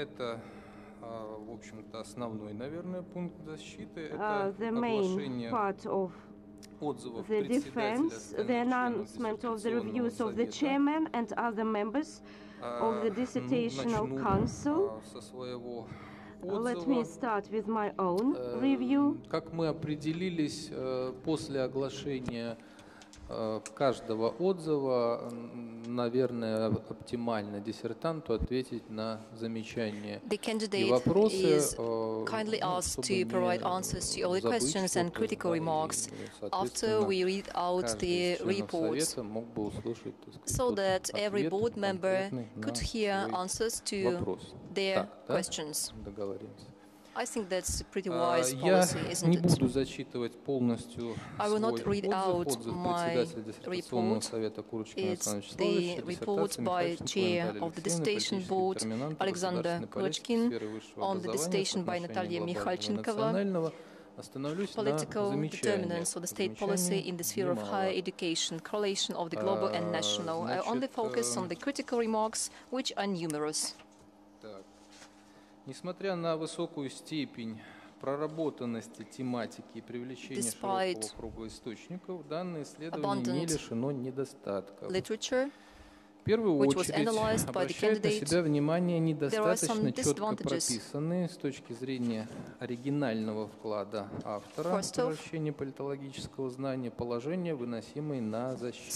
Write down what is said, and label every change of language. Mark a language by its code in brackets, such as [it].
[ru] Это, в общем-то, основной, наверное, пункт защиты. Это оглашение [en] the defense, the announcement of the reviews of the chairman and other members of the dissertational council. Let me start with my own review. [ru] Как мы определились после оглашения каждого отзыва, наверное, оптимально диссертанту ответить на замечания и вопросы, [en] kindly asked to provide answers to all the questions and critical remarks after we read out the report, so that every board member could hear answers to their questions. I think that's a pretty wise policy, isn't it? I will not read out my report. It's the report by chair of the dissertation board, Alexander Kurochkin, on the dissertation by Natalya Mihalchenkova, political determinants of the state policy in the sphere of higher education, correlation of the global and national. I only focus on the critical remarks, which are numerous. [ru] Несмотря на высокую степень проработанности тематики и привлечения [en] despite [ru] широкого круга источников, данное исследование не лишено недостатков. В первую очередь, обращает на себя внимание недостаточно четко прописанные с точки зрения оригинального вклада автора превращения политологического знания положения, выносимые на защиту.